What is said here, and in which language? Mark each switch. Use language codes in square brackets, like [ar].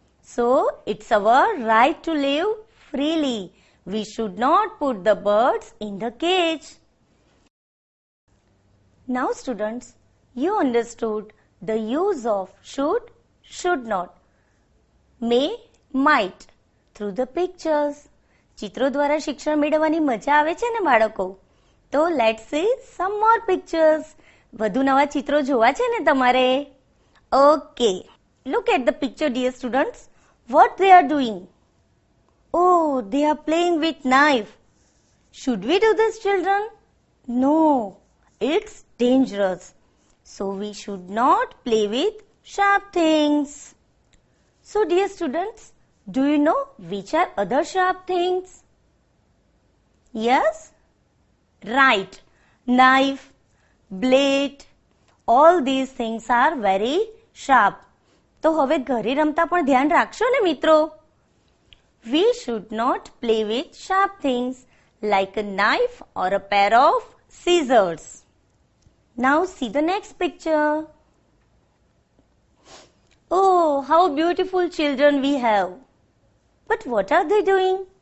[en] So, it's our right to live freely. We should not put the birds in the cage. Now students, you understood the use of should not, may, might through the pictures. [gu] ચિત્રો દ્વારા શિક્ષણ મેળવવાની મજા આવે છે ને બાળકો? તો [en] Let see some more pictures. [gu] વધુ નવા ચિત્રો જોવા છે ને તમારે? [en] Okay, look at the picture dear students. What they are doing? Oh, they are playing with knife. Should we do this children? No, it's dangerous. So we should not play with sharp things. So dear students, Do you know which are other sharp things? Yes? Right. Knife, blade, all these things are very sharp. [gu] તો હવે ઘરે રમતા પણ ધ્યાન રાખશો ને મિત્રો? [en] We should not play with sharp things like a knife or a pair of scissors. Now see the next picture. Oh, how beautiful children we have. But what are they doing?